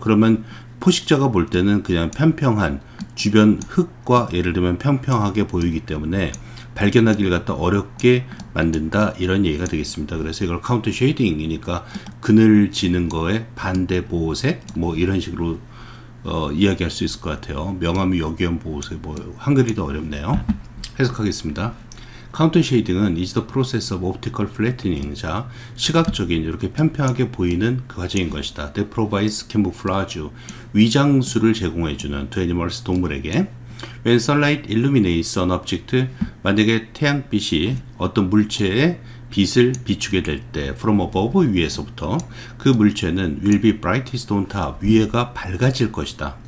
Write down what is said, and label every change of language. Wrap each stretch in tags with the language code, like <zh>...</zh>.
<ko>그러면 포식자가 볼 때는 그냥 평평한 주변 흙과 예를 들면 평평하게 보이기 때문에 발견하기를 갖다 어렵게 만든다 이런 얘기가 되겠습니다. 그래서 이걸 카운터 쉐이딩이니까 그늘 지는 거에 반대 보호색 뭐 이런 식으로 이야기할 수 있을 것 같아요. 명암이 여기엄 보호색 뭐 한글이 더 어렵네요. 해석하겠습니다.</ko> <en>Counter shading은 is the process of optical flattening.</en> <ko>자, 시각적인 이렇게 평평하게 보이는 그 과정인 것이다.</ko> <en>That provides camouflage,</en> <ko>위장수를 제공해주는</ko> <en>to animals,</en> <ko>동물에게.</ko> <en>When sunlight illuminates an object,</en> <ko>만약에 태양빛이 어떤 물체에 빛을 비추게 될 때,</ko> <en>from above,</en> <ko>위에서부터 그 물체는</ko> <en>will be brightest on top,</en> <ko>위에가 밝아질 것이다.</ko>